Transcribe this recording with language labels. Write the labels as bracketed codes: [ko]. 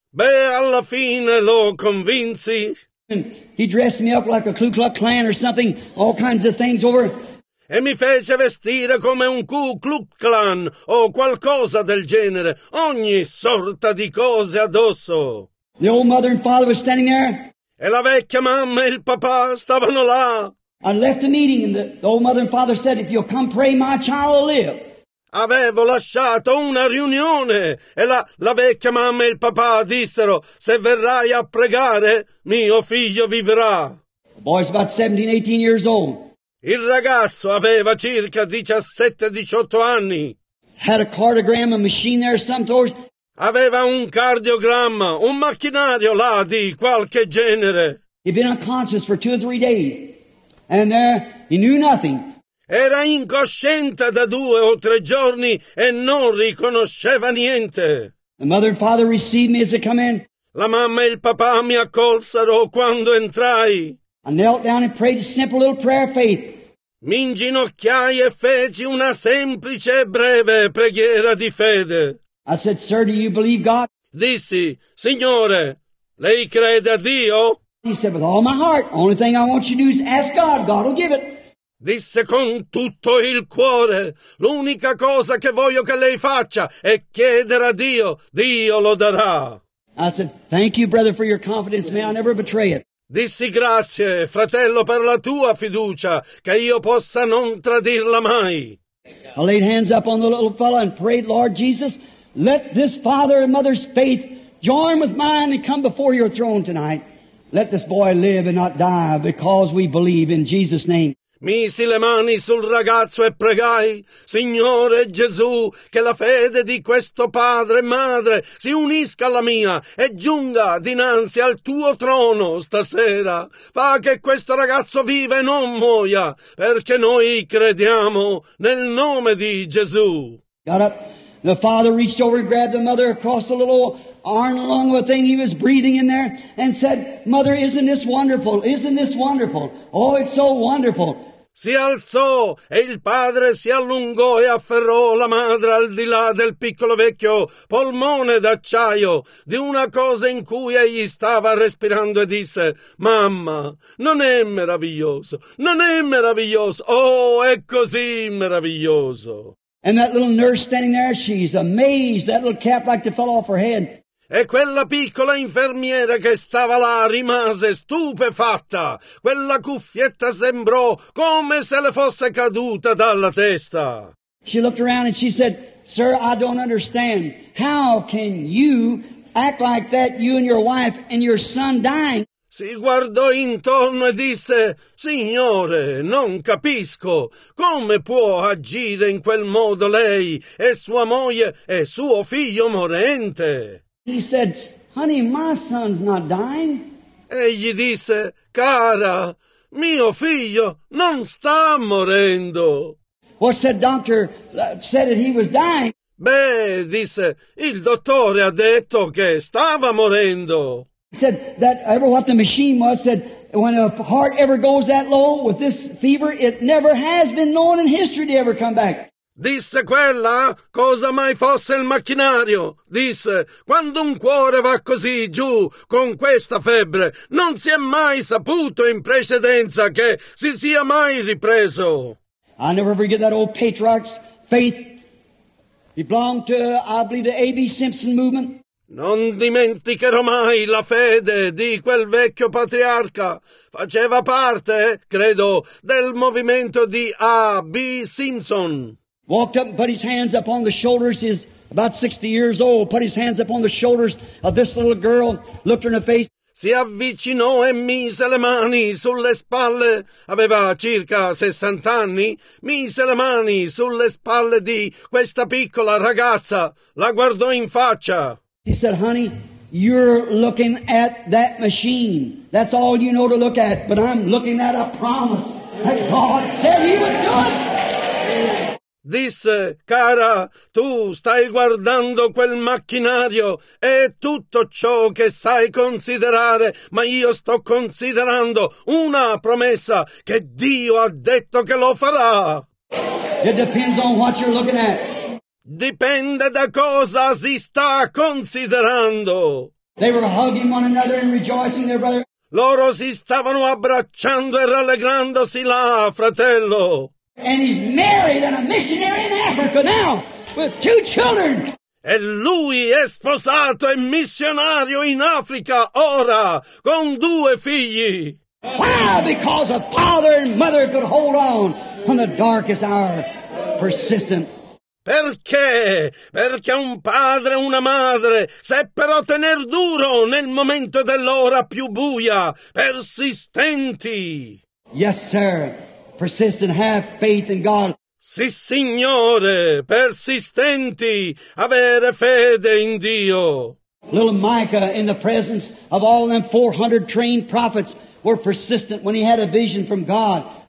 [it] Beh, alla fine lo convinci. [en] And he dressed me up like a Ku Klux Klan or something. All kinds of things over. [it] E mi fece vestire come un Ku Klux Klan o qualcosa del genere. Ogni sorta di cose addosso. [en] The old mother and father were standing there. [it] E la vecchia mamma e il papà stavano là. [en] I left a meeting and the old mother and father said, if you'll come pray, my child will live. [it] Avevo lasciato una riunione e la vecchia mamma e il papà dissero, se verrai a pregare, mio figlio vivrà. [en] The boy's about 17-18 years old. [it] Il ragazzo aveva circa 17-18 anni. [en] Had a cardiogram, a machine there, some sort. [it] Aveva un cardiogramma, un macchinario là di qualche genere. [en] He'd been unconscious for two or three days, and there he knew nothing. [it] Era incosciente da due o tre giorni e non riconosceva niente. [en] The mother and father received me as I come in. [it] La mamma e il papà mi accolsero quando entrai. [en] I knelt down and prayed a simple little prayer of faith. [it] Mi inginocchiai e feci una semplice e breve preghiera di fede. [en] I said, sir, do you believe God? [it] Dissi, signore, lei crede a Dio? [en] He said, with all my heart, only thing I want you to do is ask God, God will give it. [it] Disse con tutto il cuore, l'unica cosa che voglio che lei faccia è chiedere a Dio, Dio lo darà. [en] I said, thank you, brother, for your confidence, may I never betray it. [it] Dissi grazie, fratello, per la tua fiducia, che io possa non tradirla mai. [en] I laid hands up on the little fellow and prayed, Lord Jesus, let this father and mother's faith join with mine and come before your throne tonight. Let this boy live and not die because we believe in Jesus' name. [it] Misi le mani sul ragazzo e pregai, Signore Gesù, che la fede di questo padre e madre si unisca alla mia e giunga dinanzi al tuo trono stasera. Fa che questo ragazzo viva e non muoia, perché noi crediamo nel nome di Gesù. [en] Got up. The father reached over and grabbed the mother across the little arm along the thing he was breathing in there and said, Mother, isn't this wonderful? Isn't this wonderful? Oh, it's so wonderful. [it] Si alzò e il padre si allungò e afferrò la madre al di là del piccolo vecchio polmone d'acciaio di una cosa in cui egli stava respirando e disse, Mamma, non è meraviglioso? Non è meraviglioso? Oh, è così meraviglioso. [en] And that little nurse standing there, she's amazed. That little cap like to fell off her head. [it] E quella piccola infermiera che stava là rimase stupefatta. Quella cuffietta sembrò come se le fosse caduta dalla testa. [en] She looked around and she said, Sir, I don't understand. How can you act like that, you and your wife and your son dying? [it] Si guardò intorno e disse, Signore, non capisco, come può agire in quel modo lei e sua moglie e suo figlio morente? [en] He said, Honey, my son's not dying. [it] Egli disse, Cara, mio figlio non sta morendo. [en] What said doctor said that he was dying? [it] Beh, disse, il dottore ha detto che stava morendo. [en] He said, that ever what the machine was, said, when a heart ever goes that low with this fever, it never has been known in history to ever come back. [it] Disse quella, cosa mai fosse il macchinario? Disse, quando un cuore va così giù con questa febbre, non si è mai saputo in precedenza che si sia mai ripreso. [en] I never forget that old patriarch's faith. He belonged to, I believe, the A.B. Simpson movement. [it] Non dimenticherò mai la fede di quel vecchio patriarca. Faceva parte, credo, del movimento di A.B. Simpson. [en] Walked up and put his hands upon the shoulders. He's about 60 years old. Put his hands upon the shoulders of this little girl. Looked her in the face. [it] Si avvicinò e mise le mani sulle spalle. Aveva circa 60 anni. Mise le mani sulle spalle di questa piccola ragazza. La guardò in faccia. [en] He said, honey, you're looking at that machine. That's all you know to look at. But I'm looking at a promise that God said he would do it. [it] Disse, cara, tu stai guardando quel macchinario e tutto ciò che sai considerare, ma io sto considerando una promessa che Dio ha detto che lo farà. [en] It depends on what you're looking at. [it] Dipende da cosa si sta considerando. [en] They were hugging one another and rejoicing their brother. [it] Loro si stavano abbracciando e rallegrandosi là, fratello. [en] And he's married and a missionary in Africa now with two children. [it] E lui è sposato e missionario in Africa ora con due figli. [en] Why? Because a father and mother could hold on the darkest hour, persistent. [it] Perché? Perché un padre e una madre seppero tener duro nel momento dell'ora più buia, persistenti. [en] Yes, sir. Persistent, have faith in God. [it] Sì, signore, persistenti, avere fede in Dio. [en] Little Micah, in the presence of all them 400 trained prophets, were persistent when he had a vision from God.